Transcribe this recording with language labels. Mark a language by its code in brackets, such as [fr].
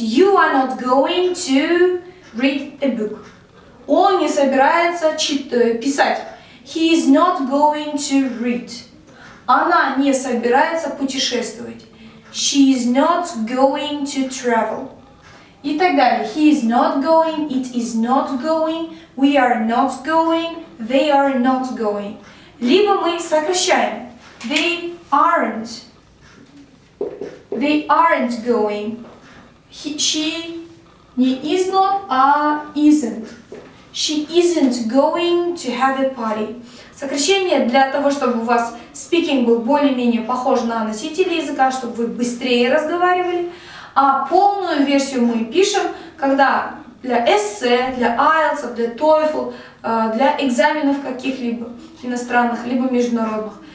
[en] You are not going to read a book. [ru] Он не собирается писать. [en] He is not going to read. [ru] Она не собирается путешествовать. [en] She is not going to travel. [ru] И так далее. [en] He is not going. It is not going. We are not going. They are not going. [ru] Либо мы сокращаем. [en] They aren't. They aren't going. She не is not, а isn't. She isn't going to have a party. [ru] Сокращение для того, чтобы у вас speaking был более-менее похож на носителя языка, чтобы вы быстрее разговаривали. А полную версию мы пишем, когда для эссе, для IELTS, для TOEFL, для экзаменов каких-либо иностранных, либо международных.